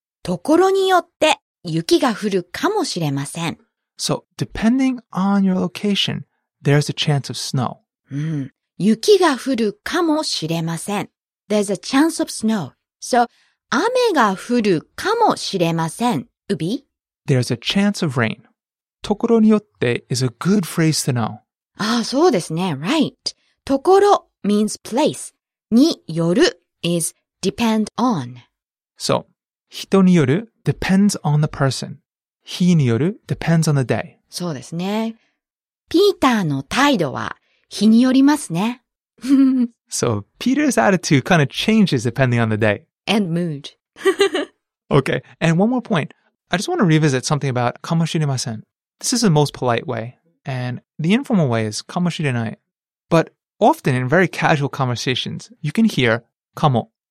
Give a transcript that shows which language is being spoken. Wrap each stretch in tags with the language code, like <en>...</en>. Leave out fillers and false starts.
<ja>ところによって雪が降るかもしれません。</ja> <en>So, depending on your location, there's a chance of snow.</en> <ja>雪が降るかもしれません。</ja> <en>There's a chance of snow. So,</en> <ja>雨が降るかもしれません。 Ubi?</ja> <en>There's a chance of rain. ところによって is a good phrase to know. Ah,</en> <ja>そうですね。</ja> <en>Right. ところ means place. による is depend on. So, 人による depends on the person. 日による depends on the day.</en> <ja>そうですね。ピーターの態度は日によりますね。</ja> <en>So, Peter's attitude kind of changes depending on the day. And mood. Okay, and one more point. I just want to revisit something about かもしれません. This is the most polite way. And the informal way is かもしれない.But often in very casual conversations, you can hear かも.</en>